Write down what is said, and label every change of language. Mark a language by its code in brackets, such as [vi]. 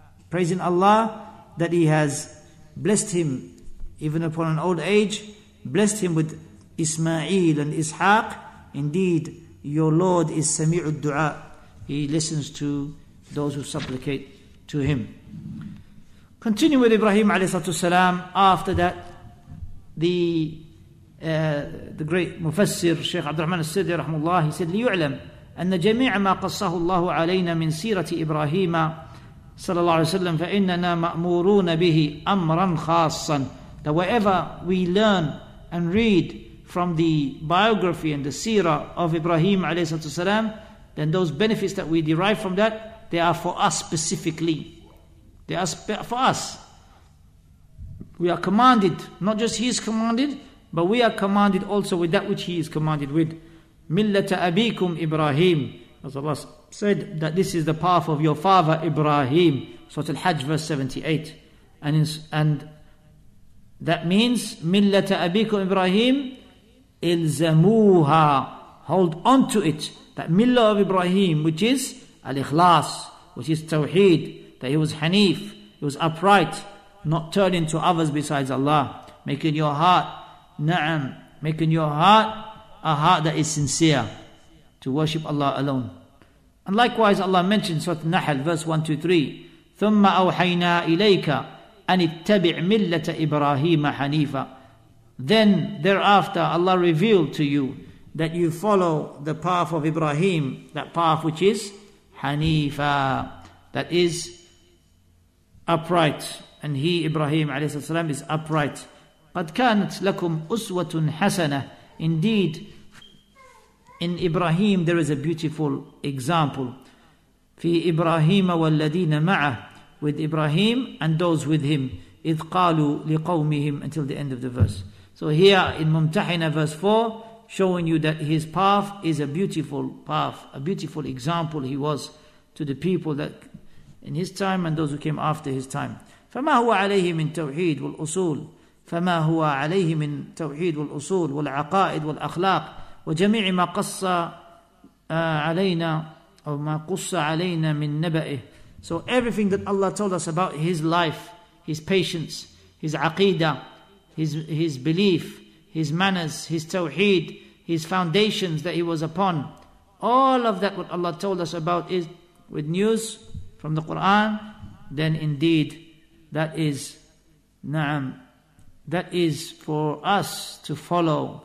[en] Praising Allah that he has blessed him, even upon an old age, blessed him with Ismail and Ishaq. Indeed, your Lord is sami'u du'a. He listens to those who supplicate to him. Continue with Ibrahim alayhi salatu wasalam. After that, the great Mufassir Shaykh Abdul Rahman al-Sirdi rahmullah, he said, [ar] لِيُعْلَمْ أَنَّ جَمِيعَ مَا قَصَّهُ اللَّهُ عَلَيْنَا مِنْ سِيرَةِ إِبْرَاهِيمَ صلى الله عليه وسلم فَإِنَّنَا مَأْمُورُونَ بِهِ أَمْرًا خَاصًّا. [en] That wherever we learn and read from the biography and the seerah of Ibrahim alayhi salatu wasalam, then those benefits that we derive from that, they are for us specifically. They are for us. We are commanded, not just he is commanded, but we are commanded also with that which he is commanded with. Millata abikum Ibrahim. As Allah said, that this is the path of your father Ibrahim. Surah Al-Hajj, verse 78. And that means, Millata abikum Ibrahim, ilzamuha. Hold on to it. That millah of Ibrahim, which is al-ikhlas, which is Tawheed, that he was Hanif, he was upright, not turning to others besides Allah, making your heart, Na'am, making your heart a heart that is sincere, to worship Allah alone. And likewise Allah mentions Surah Nahl, verse 123, [ar] ثُمَّ أَوْحَيْنَا إِلَيْكَ أَنِ اتَّبِعْ مِلَّةَ إِبْرَاهِيمَ حَنِيفًا. [en] Then thereafter Allah revealed to you that you follow the path of Ibrahim, that path which is Hanifa. that is upright, and he, Ibrahim alayhi salam, is upright. [ar] قَدْ كَانَتْ لَكُمْ أُسْوَةٌ حَسَنَةٌ. [en] Indeed, in Ibrahim there is a beautiful example. [ar] فِي إِبْرَاهِيمَ وَالَّذِينَ مَعَهُ, [en] with Ibrahim and those with him. [ar] إِذْ قَالُوا لِقَوْمِهِمْ, [en] until the end of the verse. So here in Mumtahina verse 4, showing you that his path is a beautiful path, a beautiful example he was to the people that in his time and those who came after his time. [ar] فَمَا هُوَ عَلَيْهِ مِنْ تَوْحِيدِ وَالْأُصُولِ فما هو عليه من توحيد والأصول والعقائد والأخلاق وجميع ما قص علينا أو ما قص علينا من نبأه. [en] So everything that Allah told us about his life, his patience, his aqidah, his belief, his manners, his tawheed, his foundations that he was upon, all of that what Allah told us about is with news from the Quran, then indeed that is na'am, that is for us to follow.